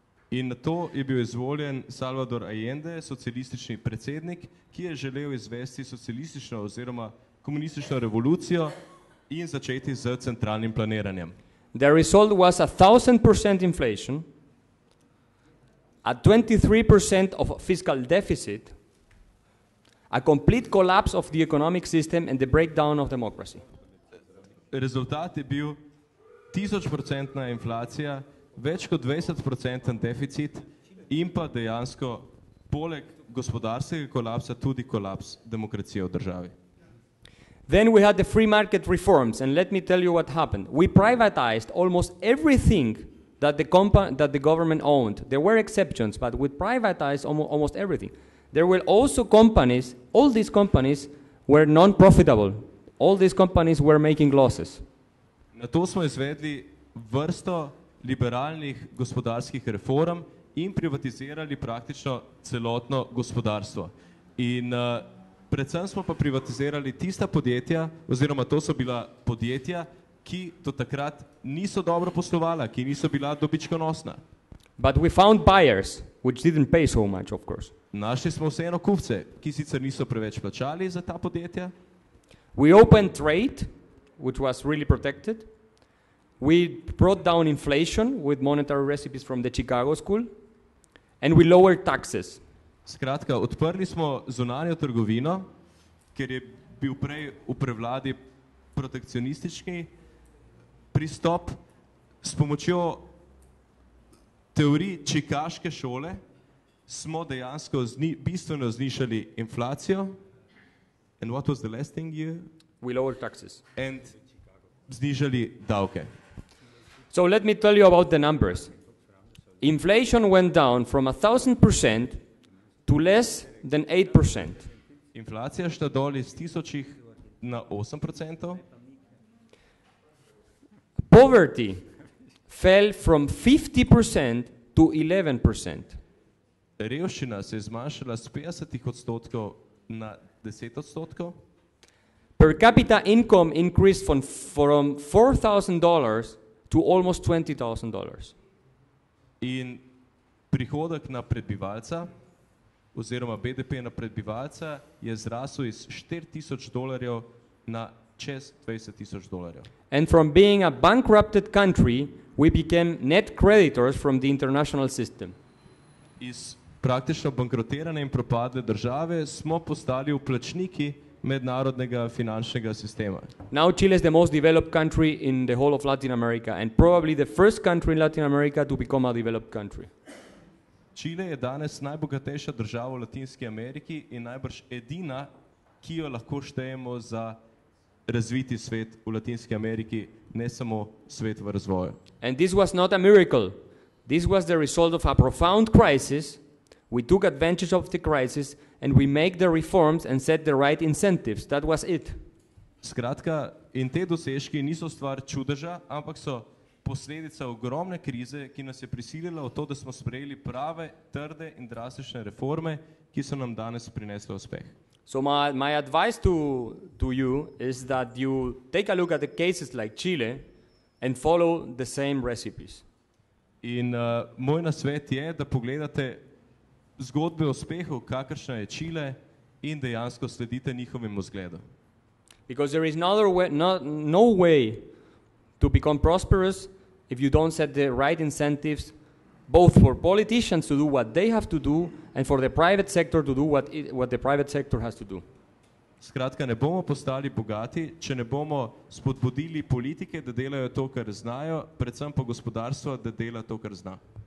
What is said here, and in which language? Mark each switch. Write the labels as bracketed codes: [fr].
[sl] In na to je bil izvoljen Salvador Allende, socialistični predsednik, ki je želel izvesti socialistično oziroma komunistično revolucijo in začeti z centralnim planiranjem. [en] The result was 1000% inflation, a 23% of fiscal deficit, a complete collapse of the economic system and the breakdown of democracy. [sl] Rezultat je bil 1000% inflacija, več kot 20% deficit in pa dejansko poleg gospodarskega kolapsa tudi kolaps demokracije v državi. [en] Then we had the free market reforms, and let me tell you what happened. We privatized almost everything that the government owned. There were exceptions, but we privatized almost everything. There were also companies, all these companies were non-profitable. All these companies were making losses. [sl] Na to smo izvedli vrsto liberalnih gospodarskih reform in privatizirali praktično celotno gospodarstvo. In predvsem smo pa privatizirali tista podjetja, oziroma to so bila podjetja, ki do takrat niso dobro poslovala, ki niso bila dobičkonosna. [en] But we found buyers, which didn't pay so much, of course. [sl] Našli smo vseeno kupce, ki sicer niso preveč plačali za ta podjetja. [en] We opened trade, which was really protected. We brought down inflation with monetary recipes from the Chicago School. And we lowered taxes. [sl] Skratka, odprli smo zunanjo trgovino, ker je bil prej v prevladi protekcionistični pristop s pomočjo teorij čikaške šole smo dejansko bistveno znišali inflacijo. [en] And what was the last thing you... We lowered taxes. [sl] And znižali davke. [en] So let me tell you about the numbers. Inflation went down from 1000% to less than 8%. [sl] Inflacija šla dol iz 1000 na 8%. [en] Poverty fell from 50% to 11%. [sl] Revščina se je zmanjšala z 50% na 10%. [en] Per capita income increased from $4,000 to almost $20,000. [sl] In prihodek na prebivalca oziroma BDP na prebivalca je zrasel iz $4,000 na čez $20,000. [en] And from being a bankrupted country, we became net creditors from the international system. [sl] Iz praktično bankrotirane in propadle države smo postali vplačniki mednarodnega finančnega sistema. [en] Now Chile is the most developed country in the whole of Latin America and probably the first country in Latin America to become a developed country. [sl] Chile je danes najbogatejša država v Latinski Ameriki in najbrž edina, ki jo lahko štejemo za razviti svet v Latinski Ameriki, ne samo svet v razvoju. [en] And this was not a miracle. This was the result of a profound crisis. We took advantage of the crisis and we make the reforms and set the right incentives. That was it. [sl] Skratka, in te dosežki niso stvar čudeža, ampak so posledica ogromne krize, ki nas je prisilila v to, da smo sprejeli prave, trde in drastične reforme, ki so nam danes prinesle uspeh. [en] So my advice to you is that you take a look at the cases like Chile and follow the same recipes. [sl] In moj nasvet je, da pogledate zgodbe uspehov, kakršna je Chile in dejansko sledite njihovim vzgledom. [en] Because there is no way to become prosperous if you don't set the right incentives both for politicians to do what they have to do and for the private sector to do what the private sector has to do. [sl] Skratka, ne bomo postali bogati, če ne bomo spodbudili politike, da delajo to, kar znajo, predvsem pa gospodarstvo, da dela to, kar zna.